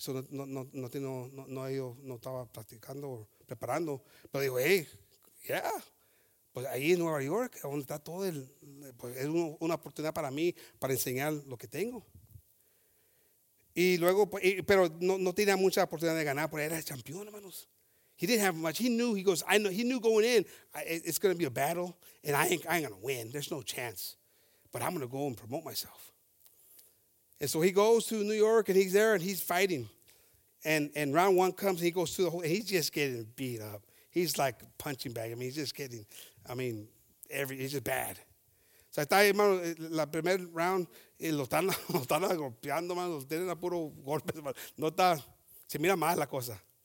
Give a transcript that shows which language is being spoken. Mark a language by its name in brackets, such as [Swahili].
[Spanish] No estaba practicando o preparando. Pero dijo, hey, yeah. Pues ahí en Nueva York, donde está todo es una oportunidad para mí para enseñar lo que tengo. Y luego, pero no tenía mucha oportunidad de ganar, porque era el campeón, hermanos. [English] He didn't have much. He knew. He goes, I know. He knew going in, it's going to be a battle, and I ain't going to win. There's no chance. But I'm going to go and promote myself. And so he goes to New York, and he's there, and he's fighting. And round one comes, and he goes through the whole. And he's just getting beat up. He's like a punching bag. I mean, he's just getting. I mean, every he's just bad. [Spanish] So está hermano, la primer round, y lo están golpeando, mano, tienen a puro golpe, no está, se mira mal la cosa.